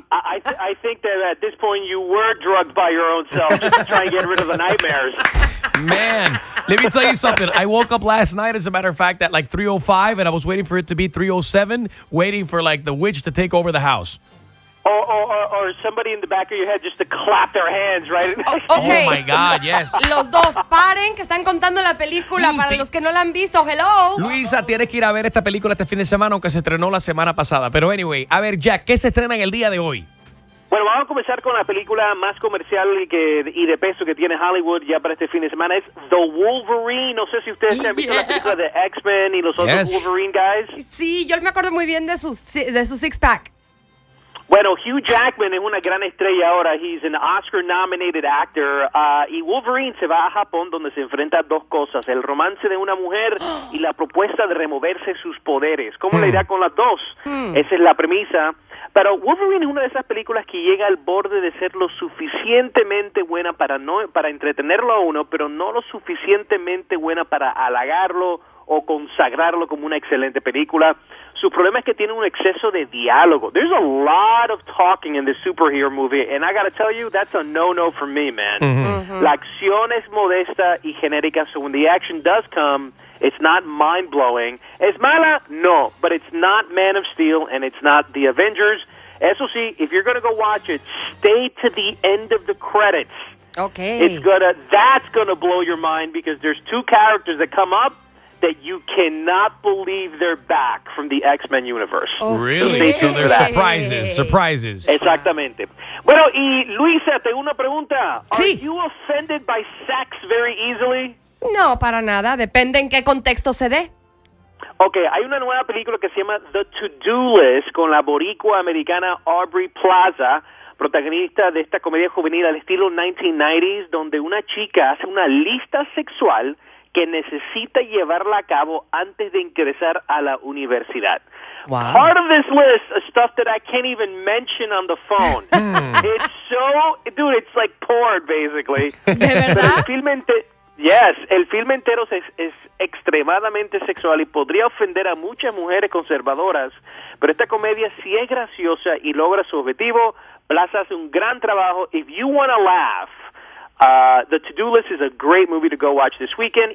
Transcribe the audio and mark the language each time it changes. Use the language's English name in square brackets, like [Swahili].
[English] I think that at this point you were drugged by your own self just to try and get rid of the nightmares. Man, let me tell you something. I woke up last night, as a matter of fact, at like 3:05, and I was waiting for it to be 3:07, waiting for like the witch to take over the house. Or somebody in the back of your head just to clap their hands, right? Okay. Oh, my God, yes. [Spanish] Los dos paren que están contando la película para los que no la han visto. [English] Hello. [Spanish] Luisa, tienes que ir a ver esta película este fin de semana, aunque se estrenó la semana pasada. Pero anyway, a ver, Jack, ¿qué se estrena en el día de hoy? Bueno, vamos a comenzar con la película más comercial y de peso que tiene Hollywood ya para este fin de semana. Es The Wolverine. No sé si ustedes han visto la película de X-Men y los otros Wolverine guys. Sí, yo me acuerdo muy bien de su six-pack. Bueno, Hugh Jackman es una gran estrella ahora. [English] He's an Oscar-nominated actor. [Spanish] Y Wolverine se va a Japón, donde se enfrenta a dos cosas. El romance de una mujer y la propuesta de removerse sus poderes. ¿Cómo le irá con las dos? Esa es la premisa. Pero Wolverine es una de esas películas que llega al borde de ser lo suficientemente buena para entretenerlo a uno, pero no lo suficientemente buena para halagarlo o consagrarlo como una excelente película. Su problema es que tiene un exceso de diálogo. [English] There's a lot of talking in the superhero movie, and I gotta tell you, that's a no-no for me, man. [Spanish] La acción es modesta y genérica, [English] so when the action does come, it's not mind-blowing. [Spanish] ¿Es mala? [English] No, but it's not Man of Steel, and it's not The Avengers. [Spanish] Eso sí, [English] if you're gonna go watch it, stay to the end of the credits. Okay. That's gonna blow your mind, because there's two characters that come up that you cannot believe they're back from the X-Men universe. Okay. Really? So there's surprises, surprises. [Spanish] Exactamente. Bueno, y Luisa, tengo una pregunta. Sí. [English] Are you offended by sex very easily? [Spanish] No, para nada. Depende en qué contexto se dé. Okay, hay una nueva película que se llama The To-Do List con la boricua americana Aubrey Plaza, protagonista de esta comedia juvenil al estilo 1990s, donde una chica hace una lista sexual que necesita llevarla a cabo antes de ingresar a la universidad. [English] Wow. Part of this list is stuff that I can't even mention on the phone. It's like porn, basically. [Spanish] ¿De verdad? El filme entero es extremadamente sexual y podría ofender a muchas mujeres conservadoras, pero esta comedia sí es graciosa y logra su objetivo. Plaza hace un gran trabajo. [English] If you want to laugh, The To-Do List is a great movie to go watch this weekend.